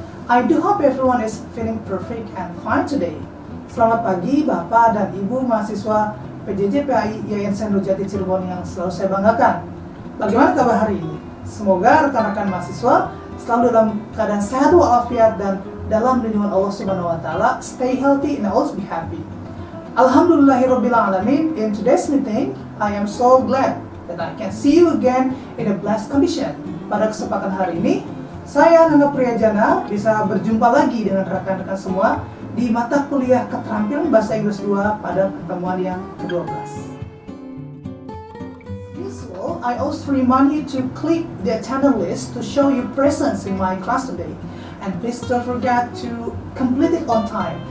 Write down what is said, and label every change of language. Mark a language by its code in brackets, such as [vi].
[en] I do hope everyone is feeling perfect and fine today. [id] Selamat pagi Bapak dan Ibu mahasiswa PJJ PAI Yayasan Nurjati Cirebon yang selalu saya banggakan. Bagaimana kabar hari ini? Semoga rekan-rekan mahasiswa selalu dalam keadaan sehat walafiat dan dalam lindungan Allah Subhanahu wa taala. [en] Stay healthy and always be happy. Alhamdulillahirrabbilalamin, in today's meeting, I am so glad that I can see you again in a blessed condition. [id] Pada kesempatan hari ini, saya Nana Priyajana bisa berjumpa lagi dengan rekan-rekan semua di mata kuliah keterampilan Bahasa Inggris 2 pada pertemuan yang ke-12. [en] Usual, I also remind you to click the attendance list to show your presence in my class today. And please don't forget to complete it on time.